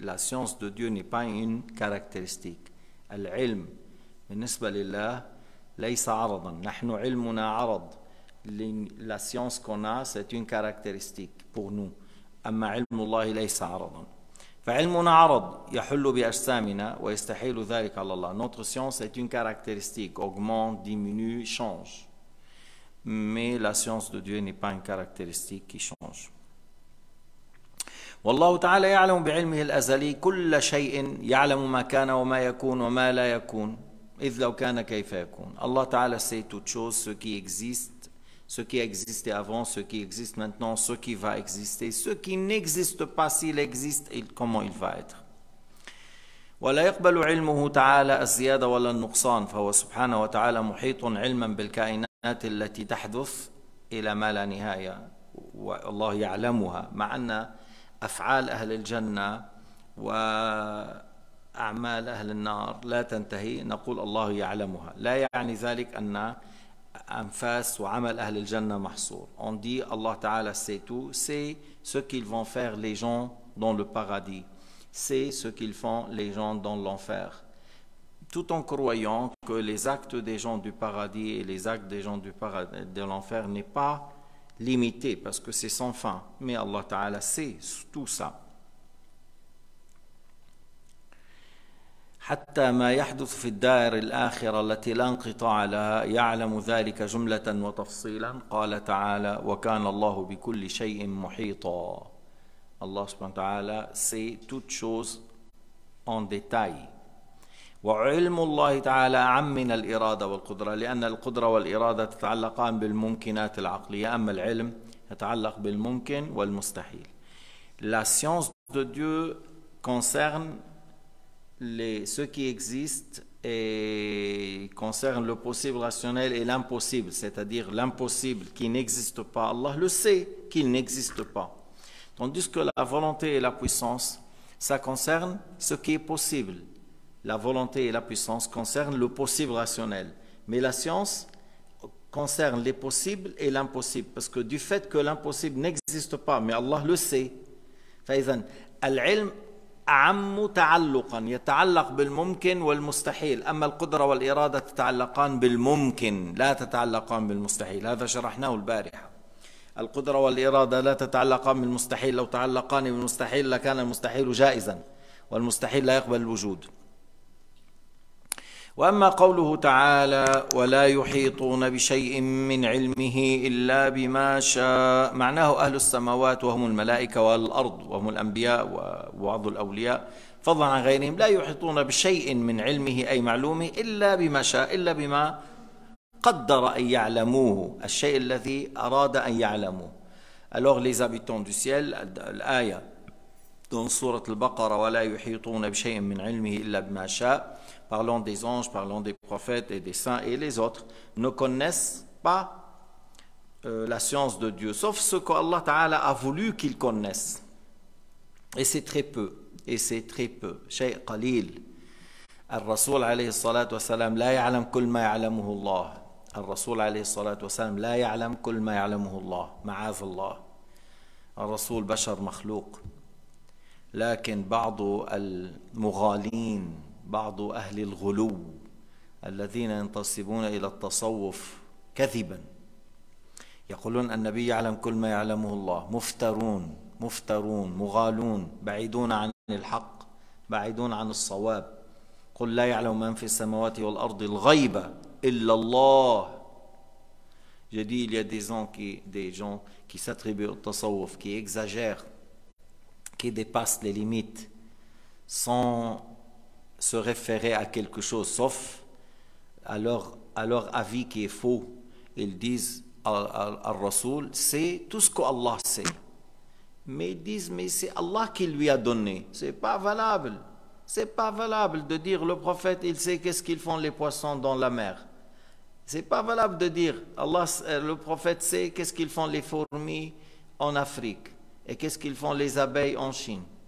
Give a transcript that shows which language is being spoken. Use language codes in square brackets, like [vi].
[fr] La science de Dieu n'est pas une caractéristique. [ar] العلم بالنسبة لله ليس عرضا. نحن علمنا عرض. [fr] La science qu'on a c'est une caractéristique pour nous. [ar] أما علم الله ليس عرضا. فعلمنا عرض يحل بأجسامنا ويستحيل ذلك على الله. [fr] Notre science est une caractéristique, augmente, diminue, change. Mais la science de Dieu n'est pas une caractéristique qui change. [ar] والله تعالى يعلم بعلمه الأزلي كل شيء، يعلم ما كان وما يكون وما لا يكون إذ لو كان كيف يكون. [fr] الله تعالى sait toutes choses, ce qui existe, ce qui existait avant, ce qui existe maintenant, ce qui va exister, ce qui n'existe pas, s'il existe, comment il va être. [ar] ولا يقبل علمه تعالى الزيادة ولا النقصان، فهو سبحانه وتعالى محيط علما بالكائنات التي تحدث إلى ما لا نهاية، والله يعلمها، مع أن أفعال أهل الجنة وأعمال أهل النار لا تنتهي، نقول الله يعلمها، لا يعني ذلك أن أنفاس وعمل أهل الجنة محصور. [fr] On dit Allah Ta'ala sait tout, c'est ce qu'ils vont faire les gens dans le paradis, c'est ce qu'ils font les gens dans l'enfer. Tout tout en croyant que les actes des gens du paradis et les actes des gens de l'enfer n'est pas limité, parce que c'est sans fin. Mais Allah Ta'ala sait tout ça. [ar] حتى ما يحدث في الدار الآخرة التي لا انقطاع لها يعلم ذلك جملة وتفصيلا قال تعالى وكان الله بكل شيء محيطا. [fr] الله سبحانه وتعالى say toute chose en détail. [ar] وعلم الله تعالى عم من الإرادة والقدرة، لأن القدرة والإرادة تتعلقان بالممكنات العقلية، أما العلم يتعلق بالممكن والمستحيل. [fr] La science de Dieu concerne ce qui existe et concerne le possible rationnel et l'impossible, c'est-à-dire l'impossible qui n'existe pas, Allah le sait qu'il n'existe pas. Tandis que la volonté et la puissance, ça concerne ce qui est possible. La volonté et la puissance concernent le possible rationnel. Mais la science concerne les possibles et l'impossible. Parce que du fait que l'impossible n'existe pas, mais Allah le sait. [ar] Faizan, al-ilm أعم تعلقا يتعلق بالممكن والمستحيل، أما القدرة والإرادة تتعلقان بالممكن لا تتعلقان بالمستحيل، هذا شرحناه البارحة. القدرة والإرادة لا تتعلقان بالمستحيل، لو تعلقان بالمستحيل لكان المستحيل جائزا والمستحيل لا يقبل الوجود. وأما قوله تعالى ولا يحيطون بشيء من علمه إلا بما شاء، معناه أهل السماوات وهم الملائكة والأرض وهم الأنبياء وبعض الأولياء فضلا عن غيرهم، لا يحيطون بشيء من علمه أي معلومه إلا بما شاء، إلا بما قدر أن يعلموه، الشيء الذي أراد أن يعلموه. [fr] Alors les habitants du ciel, الآية dans sourate البقرة [ar] ولا يحيطون بشيء من علمه إلا بما شاء، [fr] parlant des anges, parlant des prophètes et des saints et les autres, ne connaissent pas la science de Dieu, sauf ce qu'Allah Ta'ala a voulu qu'ils connaissent. Et c'est très peu. Et c'est très peu. [ar] شيء قليل. الرسول عليه الصلاة والسلام لا يعلم كل ما يعلمه الله. الرسول عليه الصلاة والسلام لا يعلم كل ما يعلمه الله. معاذ الله. الرسول بشر مخلوق. لكن بعض المغالين، بعض أهل الغلو الذين ينتصبون إلى التصوف كذبا يقولون النبي يعلم كل ما يعلمه الله، مفترون مفترون مغالون بعيدون عن الحق بعيدون عن الصواب. قل لا يعلم من في السماوات والأرض الغيبة إلا الله. [fr] جدي il y a des gens qui s'attribuent au tasawuf, qui exagèrent, qui dépassent les limites sans se référer à quelque chose sauf à leur avis qui est faux. Ils disent al Rasoul c'est tout ce que Allah sait, mais ils disent mais c'est Allah qui lui a donné, c'est pas valable de dire le prophète il sait qu'est-ce qu'ils font les poissons dans la mer, c'est pas valable de dire Allah le prophète sait qu'est-ce qu'ils font les fourmis en Afrique et qu'est-ce qu'ils font les abeilles en Chine.